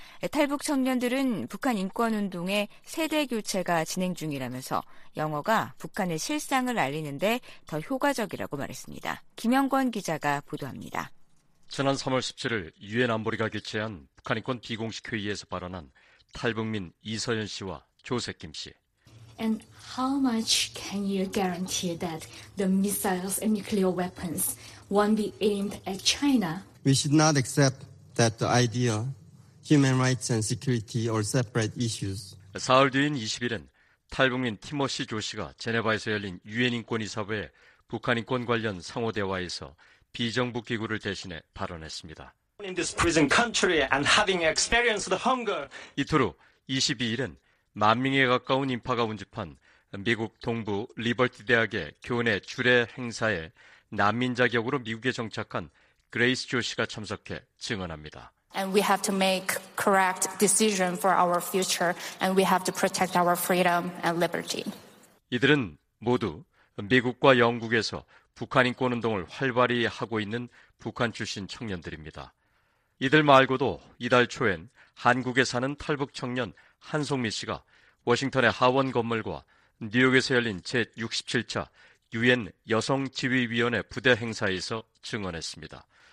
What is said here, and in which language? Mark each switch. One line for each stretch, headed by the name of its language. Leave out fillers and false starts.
Korean: 탈북 청년들은 북한 인권운동의 세대교체가 진행 중이라면서 영어가 북한의 실상을 알리는 데 더 효과적이라고 말했습니다. 김영권 기자가 보도합니다. 지난 3월 17일 유엔 안보리가 개최한 북한 인권 비공식 회의에서 발언한 탈북민 이서연 씨와 조세김 씨.
English: And how much can you guarantee that the missiles and nuclear weapons won't be aimed at China? We should not accept that the idea human rights and security are separate issues.
Korean: 사흘 뒤인 20일은 탈북민 티머시 조 씨가 제네바에서 열린 유엔 인권이사회 북한 인권 관련 상호 대화에서 비정부 기구를 대신해 발언했습니다.
English: In this prison country and having experienced hunger.
Korean: 이틀 후 22일은 만 명에 가까운 인파가 운집한 미국 동부 리버티 대학의 교내 주례 행사에 난민 자격으로 미국에 정착한 그레이스 조 씨가 참석해 증언합니다.
English: And we have to make correct decision for our future and we have to protect our freedom and liberty.
Korean: 이들은 모두 미국과 영국에서 북한 인권 운동을 활발히 하고 있는 북한 출신 청년들입니다. 이들 말고도 이달 초엔 한국에 사는 탈북 청년 한송미 씨가 워싱턴의 하원 건물과 뉴욕에서 열린 제67차 유엔 여성지위위원회 부대 행사에서 증언했습니다.